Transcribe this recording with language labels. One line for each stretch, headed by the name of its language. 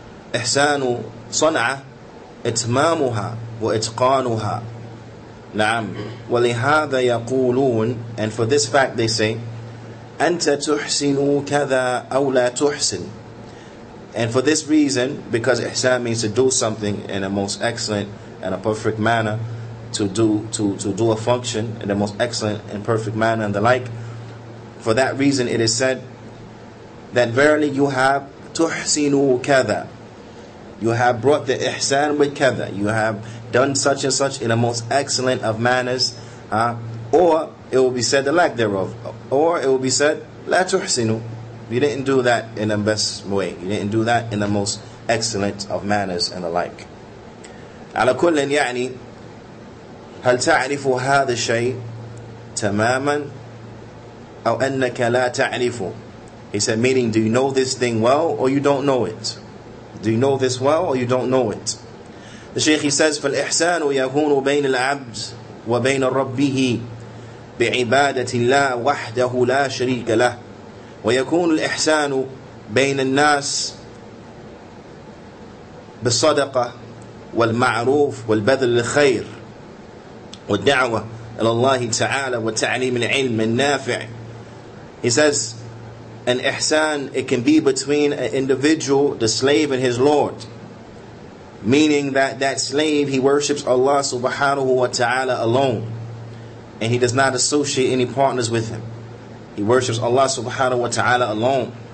Arabic: إحسان صنعة إتمامها وإتقانها. نعم. ولهذا يقولون,
English: and for this fact they say,
Arabic: أنت تحسن كذا أو لا تحسن.
English: And for this reason, because إحسان means to do something in a most excellent and a perfect manner, to do a function in the most excellent and perfect manner and the like. For that reason, it is said that verily you have
Arabic: tuhsinu kada.
English: You have brought the ihsan with kada. You have done such and such in the most excellent of manners. Or it will be said the lack thereof. Or it will be said
Arabic: la tuhsinu.
English: You didn't do that in the best way. You didn't do that in the most excellent of manners and the like.
Arabic: على كل يعني هل تعرف هذا الشيء تماما أو أنك لا تعرفه.
English: He said, meaning, do you know this thing well or you don't know it? Do you know this well or you don't know it? The Shaykh, he says,
Arabic: فالإحسان يكون بين العبد وبين ربه بعبادة الله وحده لا شريك له ويكون الإحسان بين الناس بالصدقة والمعروف والبذل للخير والدعوة إلى الله تعالى والتعليم العلم النافع.
English: He says, an ihsan, it can be between an individual, the slave, and his Lord. Meaning that slave, he worships Allah subhanahu wa ta'ala alone. And he does not associate any partners with him. He worships Allah subhanahu wa ta'ala alone.